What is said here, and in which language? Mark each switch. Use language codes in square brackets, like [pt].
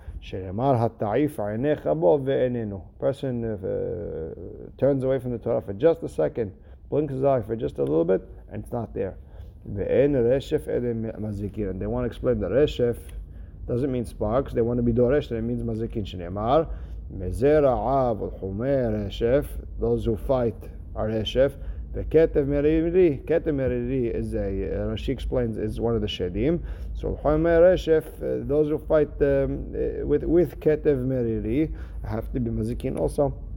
[he] שנאמר התעיף עיניך בו ואיננו. [en] Person turns away from the Torah for just a second, blinks his eye for just a little bit, and it's not there. [he] ואין רשף אלא מזיקין. [en] And they want to explain that רשף doesn't mean sparks, they want to be דורש, and it means מזיקין. [he] שנאמר, מזרע עב ולחומי רשף, [en] those who fight are רשף, [he] וכתב מרירי, כתב מרירי, [en] as Rashi explains, is one of the shedim. So, חומר רשף, those who fight with כתב מרירי, have to be מזיקין also.